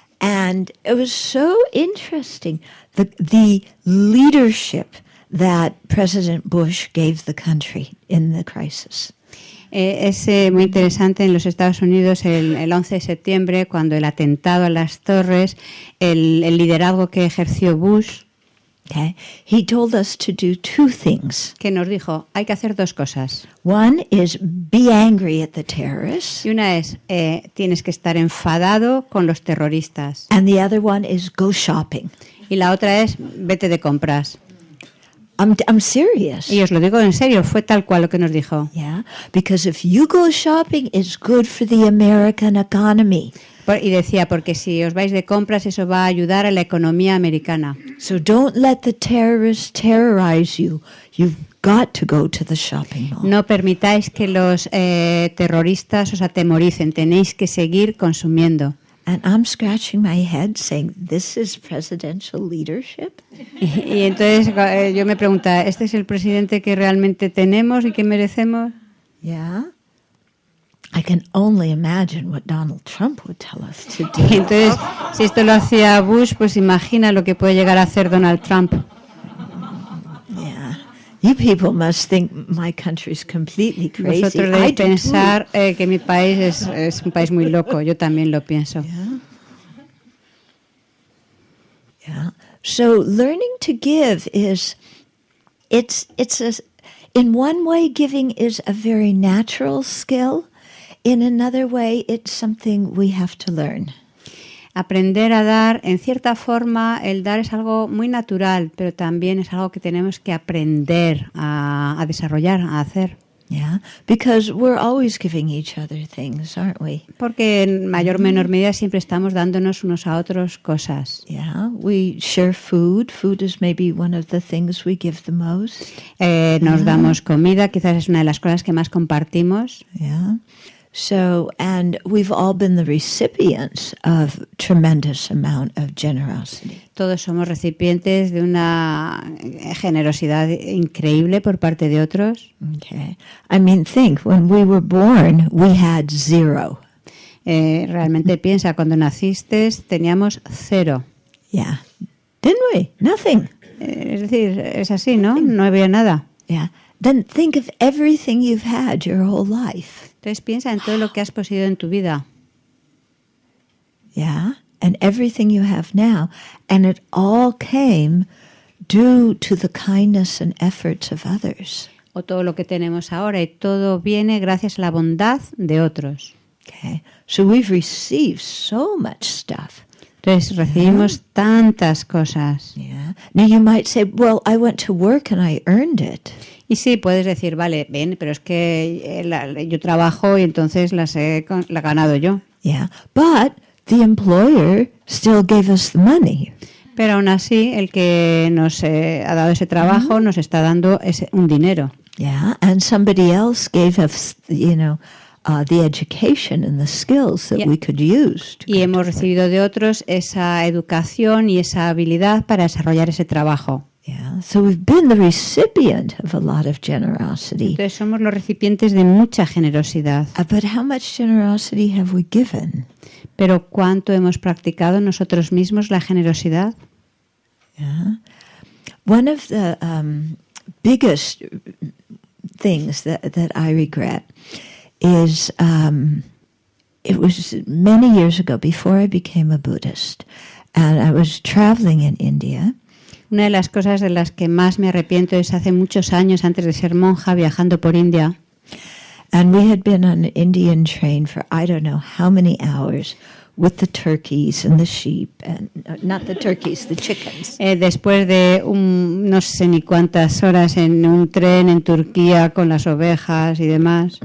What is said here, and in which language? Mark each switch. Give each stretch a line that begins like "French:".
English: And it was so interesting. The leadership that President Bush gave the country in the crisis.
Spanish: Es muy interesante en los Estados Unidos el 11 de septiembre, cuando el atentado a las torres, el liderazgo que ejerció Bush.
English: Okay. He told us to do two things.
Spanish: Que nos dijo, hay que hacer dos cosas.
English: One is be angry at the terrorists.
Spanish: Y una es, tienes que estar enfadado con los terroristas.
English: And the other one is go shopping.
Spanish: Y la otra es, vete de compras.
English: I'm serious.
Spanish: Y os lo digo en serio, fue tal cual lo que nos dijo.
English: Yeah, because if you go shopping, it's good for the American economy.
Spanish: Y decía, porque si os vais de compras, eso va a ayudar a la economía americana.
English: So don't let the terrorists terrorize you. You've got to go to the shopping mall.
Spanish: No permitáis que los terroristas os atemoricen. Tenéis que seguir consumiendo.
English: And I'm scratching my head saying, this is presidential leadership?
Spanish: Y entonces yo me pregunto, ¿este es el presidente que realmente tenemos y que merecemos?
English: Yeah. I can only imagine what Donald Trump would tell us to do.
Spanish: Entonces, si esto lo hacía Bush, pues imagina lo que puede llegar a hacer Donald Trump.
English: You people must think my country is completely crazy.
Spanish: Vosotros debéis pensar que mi país es un país muy loco. Yo también lo pienso.
English: Yeah. Yeah. So learning to give is in one way giving is a very natural skill. In another way, it's something we have to learn.
Spanish: Aprender a dar, en cierta forma, el dar es algo muy natural, pero también es algo que tenemos que aprender a desarrollar, a hacer.
English: Yeah, because we're always giving each other things, aren't we?
Spanish: Porque en mayor o menor medida siempre estamos dándonos unos a otros cosas.
English: Yeah, we share food. Food is maybe one of the things we give the most.
Spanish: Nos damos comida, quizás es una de las cosas que más compartimos.
English: Yeah. So, and we've all been the recipients of tremendous amount of generosity.
Spanish: Todos somos recipientes de una generosidad increíble por parte de otros.
English: Okay. I mean, think, when we were born, we had zero.
Spanish: Realmente piensa, cuando naciste, teníamos cero.
English: Yeah. Didn't we? Nothing.
Spanish: Es decir, es así, ¿no?
English: Nothing.
Spanish: No había nada.
English: Yeah. Then think of everything you've had your whole life.
Spanish: Entonces piensa en todo lo que has poseído en tu vida.
English: Yeah, and everything you have now, and it all came due to the kindness and efforts of others.
Spanish: O todo lo que tenemos ahora y todo viene gracias a la bondad de otros.
English: Okay. So we've received so much stuff.
Spanish: Entonces recibimos tantas cosas.
English: Yeah. Now you might say, well, I went to work and I earned it.
Spanish: Y sí, puedes decir, vale, bien, pero es que yo trabajo y entonces las he ganado yo.
English: Yeah, but the employer still gave us the money.
Spanish: Pero aún así, el que nos ha dado ese trabajo nos está dando un dinero.
English: Yeah, and somebody else gave us, you know, the education and the skills that we could use.
Spanish: Y hemos recibido de otros esa educación y esa habilidad para desarrollar ese trabajo.
English: Yeah, so we've been the recipient of a lot of generosity.
Spanish: Entonces somos los recipientes de mucha generosidad.
English: But how much generosity have we given?
Spanish: Pero ¿cuánto hemos practicado nosotros mismos la generosidad?
English: Yeah. One of the biggest things that I regret is it was many years ago, before I became a Buddhist, and I was traveling in India.
Spanish: Una de las cosas de las que más me arrepiento es hace muchos años, antes de ser monja, viajando por India.
English: And we had been on an Indian train for I don't know how many hours with the turkeys and the sheep and not the turkeys, the chickens.
Spanish: Después de no sé ni cuántas horas en un tren en Turquía con las ovejas y demás.